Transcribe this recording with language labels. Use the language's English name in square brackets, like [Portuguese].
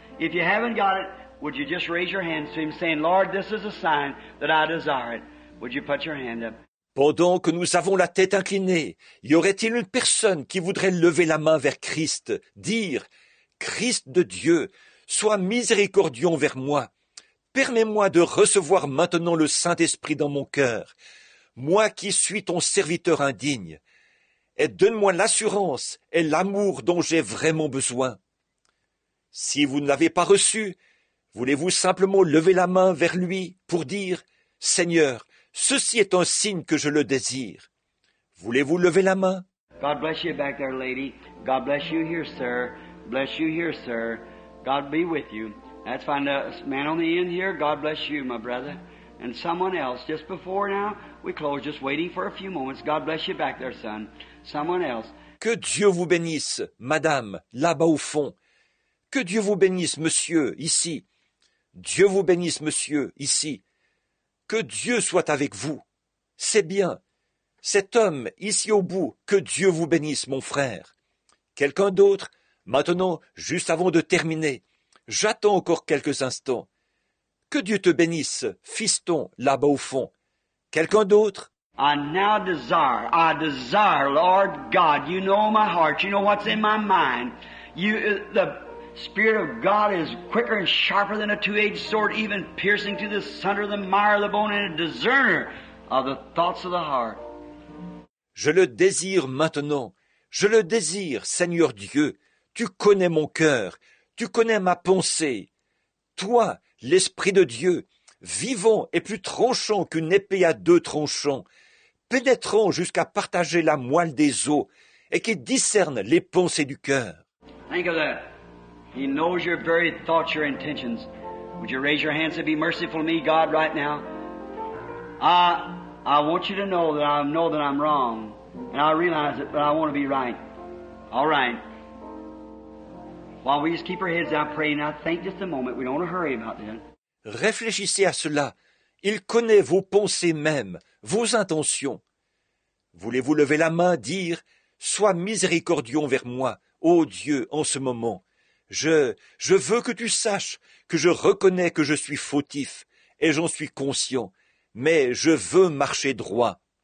[English] If you haven't got it, would you just raise your hands to Him saying, Lord, this is a sign that I desire it. Would you put your hand up? [French] Pendant que nous avons la tête inclinée, y aurait-il une personne qui voudrait lever la main vers Christ, dire « Christ de Dieu, sois miséricordieux envers moi. Permets-moi de recevoir maintenant le Saint-Esprit dans mon cœur, moi qui suis ton serviteur indigne, et donne-moi l'assurance et l'amour dont j'ai vraiment besoin. » Si vous ne l'avez pas reçu, voulez-vous simplement lever la main vers lui pour dire « Seigneur, ceci est un signe que je le désire. Voulez-vous lever la main? [English] God bless you back there, lady. God bless you here, sir. Bless you here, sir. God be with you. That's fine. A man on the end here, God bless you, my brother. And someone else, just before now, we close, just waiting for a few moments. God bless you back there, son. Someone else. [French] Que Dieu vous bénisse, madame, là-bas au fond. Que Dieu vous bénisse, monsieur, ici. Dieu vous bénisse, monsieur, ici. Que Dieu soit avec vous. C'est bien. Cet homme, ici au bout, que Dieu vous bénisse, mon frère. Quelqu'un d'autre, maintenant, juste avant de terminer. J'attends encore quelques instants. Que Dieu te bénisse, fiston, là-bas au fond. Quelqu'un d'autre? [English] I desire, Lord God, you know my heart, you know what's in my mind. The Spirit of God is quicker and sharper than a two-edged sword, even piercing to the center of the mire of the bone and a discerner of the thoughts of the heart. [French] Je le désire maintenant. Je le désire, Seigneur Dieu. Tu connais mon cœur. Tu connais ma pensée. Toi, l'Esprit de Dieu, vivant et plus tranchant qu'une épée à deux tranchants, pénétrant jusqu'à partager la moelle des os et qui discerne les pensées du cœur. [English] Think of that. He knows your very thoughts, your intentions. Would you raise your hands and be merciful to me, God, right now? I want you to know that I'm wrong, and I realize it, but I want to be right. All right. While we just keep our heads down, pray now. Think just a moment. We don't want to hurry about that. [French] Réfléchissez à cela. Il connaît vos pensées même, vos intentions. Voulez-vous lever la main, dire, « Sois miséricordieux envers moi, ô Dieu, en ce moment. » Je veux que tu saches que je reconnais que je suis fautif et j'en suis conscient, mais je veux marcher droit.